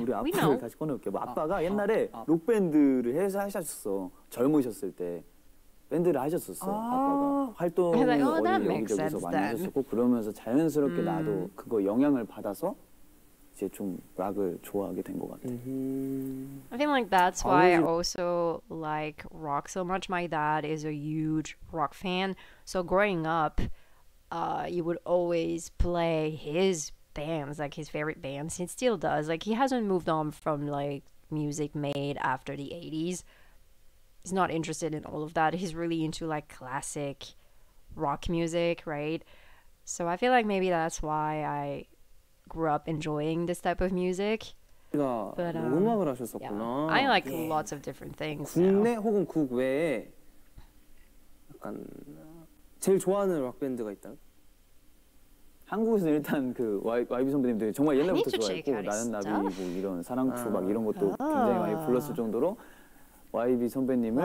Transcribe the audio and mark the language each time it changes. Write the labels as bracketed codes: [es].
[ko] 우리 아빠를 다시 꺼내볼게. 뭐 아빠가 아, 옛날에 아. 록 밴드를 해서 하셨었어. 젊으셨을 때 밴드를 하셨었어. 아. 아빠가 활동을 [en] like, oh, [ko] 어린 여기저기서 많이 하셨었고 그러면서 자연스럽게 나도 그거 영향을 받아서 이제 좀 락을 좋아하게 된 것 같아. [en] I think like that's why I also like rock so much. My dad is a huge rock fan. So growing up, he would always play his bands, like his favorite bands. He still does. Like he hasn't moved on from like music made after the 80s. He's not interested in all of that. He's really into like classic rock music, right? So I feel like maybe that's why I grew up enjoying this type of music. [ko] But, 음악을 하셨었구나. [en] Yeah, I like yeah. lots of different things. [ko] 국내 [en] so. [ko] 혹은 국외에 약간 제일 좋아하는 록 밴드가 있다. 한국에서 일단 그 YB 선배님들이 정말 옛날부터 좋아했고 나는 나비 뭐 이런 사랑추 막 이런 것도 굉장히 많이 불렀을 정도로 YB 선배님을